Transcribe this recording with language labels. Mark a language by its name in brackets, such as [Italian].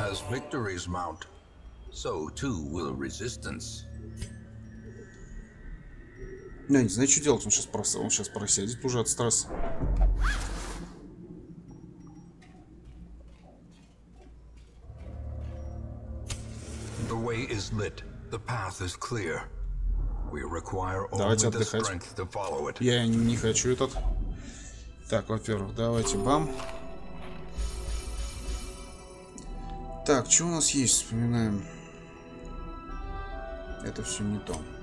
[English] Victories mount, so too will resistance. [Russian] Я не знаю, что делать, он сейчас просядет уже от стресса. [English] The way is lit, the path is clear. We require only the strength to follow it. [Russian] Я не хочу этот. Так, во-первых, давайте бам. Так, что у нас есть, вспоминаем. Это все не то.